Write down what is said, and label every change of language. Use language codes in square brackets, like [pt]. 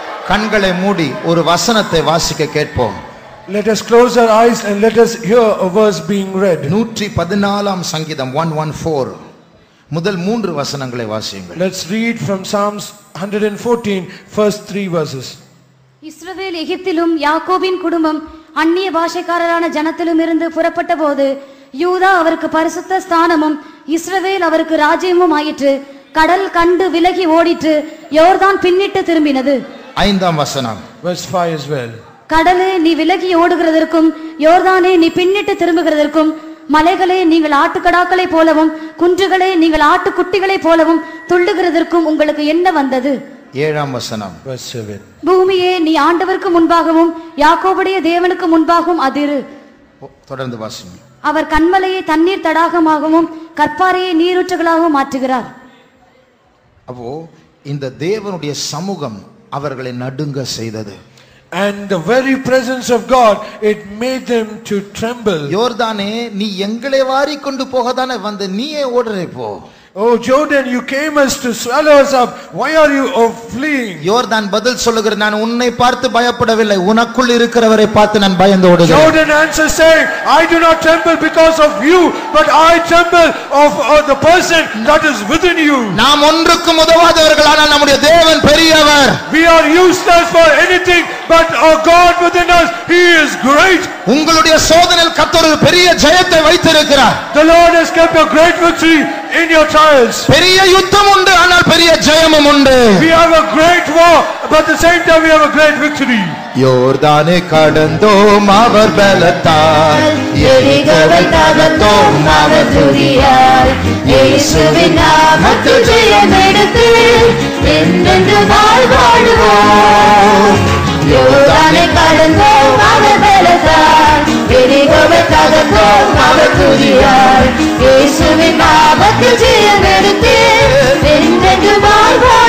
[ta] கண்களை மூடி ஒரு வசனத்தை வாசிக்க கேட்போம். [en] Let us close our eyes and let us hear a verse being read. [ta] 114th சங்கீதம் 114 முதல் 3 வசனங்களை வாசியுங்கள். [en] Let's read from Psalms 114 first 3 verses. [ta] இஸ்ரவேல் எகிப்திலும் யாக்கோபின் குடும்பம் அந்நிய பாஷைக்காரரான ஜனத்திலும் இருந்து புறப்பட்ட போது யூதா அவருக்கு பரிசுத்த ஸ்தானமும் இஸ்ரவேல் அவருக்கு ராஜ்யமும் ஆயிற்று. கடல் கண்டு விலகி ஓடிற்று, யோர்தான் பின்னிட்டு திரும்பினது. 5th வசனம் [en] verse 5 as well. [ta] கடலே நீ விலகி ஓடுகிறதற்கும், யோர்தானே நீ பின்னிட்டு திரும்புகிறதற்கும், மலைகளே நீங்கள் ஆட்டுக்கடாக்களை போலவும், குன்றுகளே நீங்கள் ஆட்டு குட்டிகளை போலவும் துள்ளுகிறதற்கும் உங்களுக்கு என்ன வந்தது? 7th வசனம் பூமியே நீ ஆண்டவருக்கு முன்பாகவும் யாக்கோபுடைய தேவனுக்கு முன்பாகவும் அதிரு. தொடர்ந்து வாசிங்க. அவர் கண்மலையை தண்ணீர் தடாகமாகவும் கற்பாறையை நீரூற்றுகளாகவும் மாற்றுகிறார். அப்போ இந்த தேவனுடைய சமூகம் அவர்களை நடுங்க செய்தது. [en] And the very presence of God, it made them to tremble. [ta] Jordan, நீ எங்களை வாரி கொண்டு போகதானே வந்த, நீயே ஓடுறே போ. [en] Oh Jordan, you came us to swallow us up, why are you fleeing? [ta] Jordan பதில் சொல்லுகிற, நான் உன்னை பார்த்து பயப்படவில்லை, உனக்குள் இருக்கிறவரை பார்த்து நான் பயந்து ஓடுகிறேன். [en] Jordan answers saying, I do not tremble because of you, but I tremble of the person that is within you. [ta] நாம் ஒன்றுக்கும் உதவாதவர்கள், ஆனால் நம்முடைய தேவன் பெரியவர். [en] We are useless for anything, but our God within us, he is great. [ta] உங்களுடைய சோதனையில் கர்த்தர் ஒரு பெரிய ஜெயத்தை வைத்திருக்கிறார். [en] The Lord has kept a great victory in your trials. [ta] பெரிய யுத்தம் உண்டு, ஆனால் பெரிய ஜெயமும் உண்டு. [en] We have a great war, but at the same time we have a great victory. [ta] யோர்தானே கடந்தோம் அவர் பலத்தால், எரிகோவை தகர்த்தோம் அவர் துதியால், இயேசுவின் நாமத்தில் ஜெயம் எடுத்து என்றென்று வாழ்வோம். யோர்தானே கடந்தோம் அவர் பலத்தால், எரிகோவை தகர்த்தோம் அவர் துதியால், இயேசுவின் நாமத்தில் ஜெயம் எடுத்து என்றென்று வாழ்வோம்.